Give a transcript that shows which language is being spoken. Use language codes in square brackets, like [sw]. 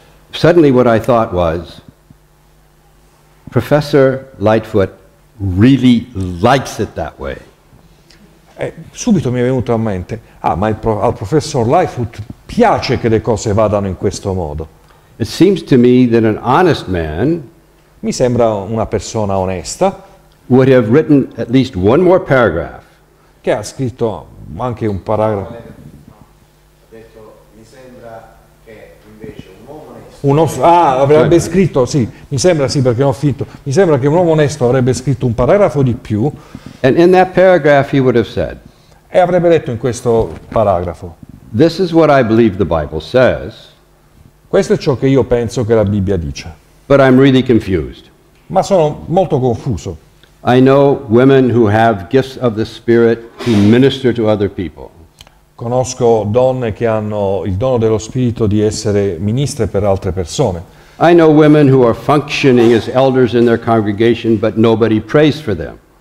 [en] So suddenly what I thought was Professor Lightfoot really likes it that way. [it] E subito mi è venuto a mente, al professor Lightfoot piace che le cose vadano in questo modo. [en] It seems to me that an honest man [it] mi sembra una persona onesta [en] would have written at least one more paragraph. [it] Che ha scritto anche un paragrafo. Mi sembra che invece un uomo onesto avrebbe scritto, sì, mi sembra sì perché non ho finito. Mi sembra che un uomo onesto avrebbe scritto un paragrafo di più. [en] And in that paragraph he would have said. [it] E avrebbe detto in questo paragrafo. [en] This is what I believe the Bible says. [it] Questo è ciò che io penso che la Bibbia dice. [en] But I'm really confused. [it] Ma sono molto confuso. [en] I know women who have gifts of the Spirit who minister to other people. [it] Conosco donne che hanno il dono dello Spirito di essere ministre per altre persone. [en] I know women who are functioning as elders in their congregation, but nobody prays for them.